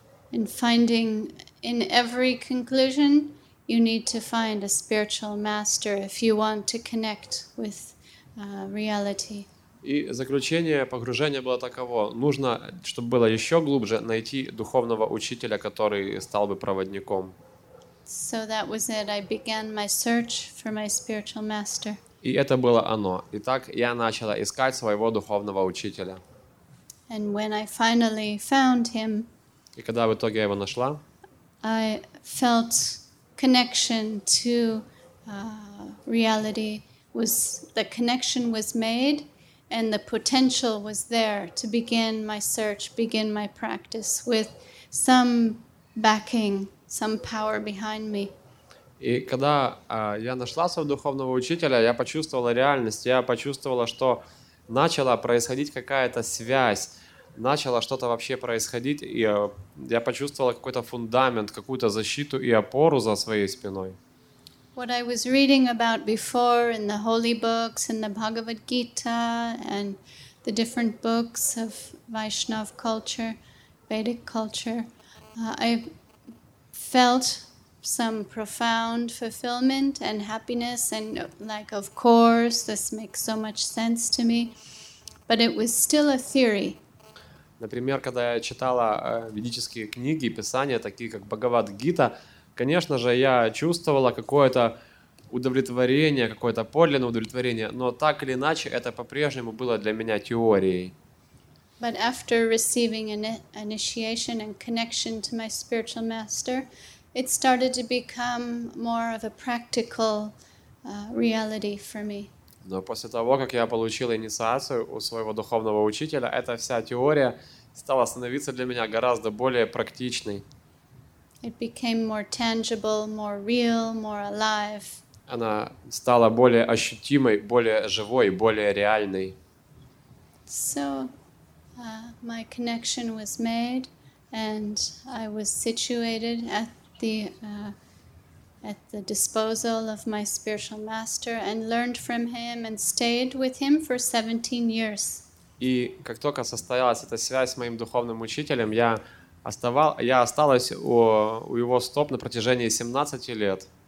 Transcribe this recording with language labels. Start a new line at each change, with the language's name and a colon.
English: And finding in every conclusion, you need to find a spiritual master if you want to connect with reality.
Russian: И заключение погружения было таково: нужно, чтобы было еще глубже, найти духовного учителя, который стал бы проводником.
English: So that was it. I began my search for my spiritual master.
Russian: И это было оно. Итак, я начала искать своего духовного учителя.
English: And when I finally found him,
Russian: и когда в итоге я его нашла,
English: I felt connection to reality was the connection was made. And the potential was there to begin my search, begin my practice with some backing, some power behind me.
Russian: И когда я нашла своего духовного учителя, я почувствовала реальность, я почувствовала, что начала происходить какая-то связь, начало что-то вообще происходить, и я почувствовала какой-то фундамент, какую-то защиту и опору за своей спиной.
English: What I was reading about before in the holy books, in the Bhagavad Gita, and the different books of Vaishnav culture, Vedic culture, I felt some profound fulfillment and happiness, and like, of course, this makes so much sense to me, but it was still a theory.
Russian: Например, когда я читала ведические книги, писания, такие как Бхагавад Гита, конечно же, я чувствовала какое-то удовлетворение, какое-то подлинное удовлетворение, но так или иначе, это по-прежнему было для меня теорией.
English: But after receiving an initiation and connection to my spiritual master, it started to become more of a practical reality for me.
Russian: Но после того, как я получила инициацию у своего духовного учителя, эта вся теория стала становиться для меня гораздо более практичной.
English: It became more tangible, more real, more alive.
Russian: Она стала более ощутимой, более живой, более реальной.
English: So, my connection was made, and I was situated at the disposal of my spiritual master, and learned from him, and stayed with him for 17 years.
Russian: И как только состоялась эта связь с моим духовным учителем, я осталась у его стоп на протяжении 17 лет.